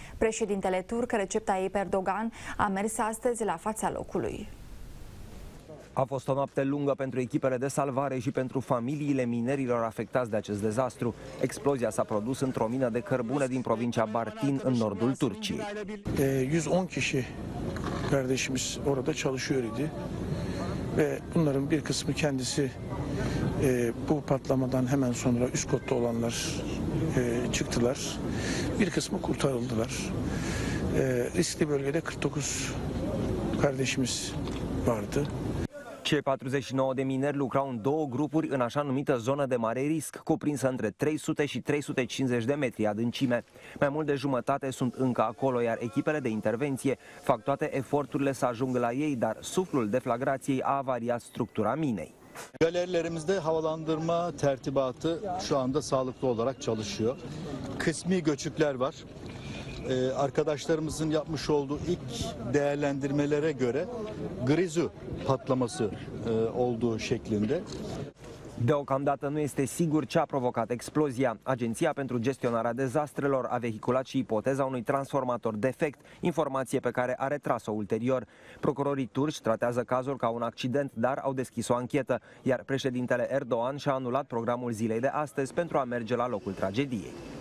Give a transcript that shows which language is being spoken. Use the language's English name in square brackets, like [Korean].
[Romanian] Președintele turc, Recep Tayyip Erdogan, a mers astăzi la fața locului. A fost o noapte lungă pentru echipele de salvare și pentru familiile minerilor afectați de acest dezastru. Explozia s-a produs într-o mină de cărbune din provincia Bartin, în nordul Turciei. [Turkish] 110 kişi kardeşimiz orada çalışıyor idi. ve bunların bir kısmı kendisi bu patlamadan hemen sonra üst kotta olanlar çıktılar. Bir kısmı kurtarıldılar. Riskli bölgede 49 kardeşimiz vardı. [Romanian] Cei 49 de mineri lucrau în două grupuri în așa numită zonă de mare risc, cuprinsă între 300 și 350 de metri adâncime. Mai mult de jumătate sunt încă acolo, iar echipele de intervenție fac toate eforturile să ajungă la ei, dar suflul deflagrației a avariat structura minei. [Turkish] Galerilerimizde havalandırma tertibatı şu anda sağlıklı olarak çalışıyor. Kısmi göçükler var. Arkadaşlarımızın yapmış olduğu ilk değerlendirmelere göre grizu patlaması olduğu şeklinde. [Romanian] Deocamdată nu este sigur ce a provocat explozia. Agenția pentru gestionarea dezastrelor a vehiculat și ipoteza unui transformator defect, informație pe care a retras-o ulterior. Procurorii turci tratează cazul ca un accident, dar au deschis o anchetă, iar președintele Erdogan și-a anulat programul zilei de astăzi pentru a merge la locul tragediei.